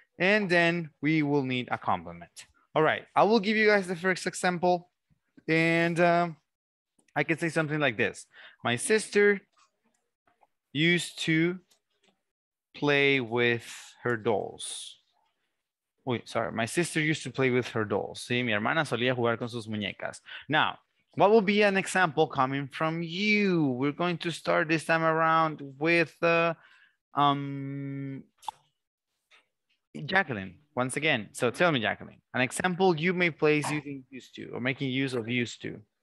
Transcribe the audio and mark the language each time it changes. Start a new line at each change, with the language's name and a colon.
English: And then we will need a complement. All right, I will give you guys the first example. And I could say something like this. My sister used to play with her dolls. Wait, sorry. My sister used to play with her dolls.
Spanish: Sí, mi hermana solía jugar con sus muñecas.
English: Now, what will be an example coming from you? We're going to start this time around with Jacqueline, once again. So tell me, Jacqueline, an example you may place using used to or making use of used to.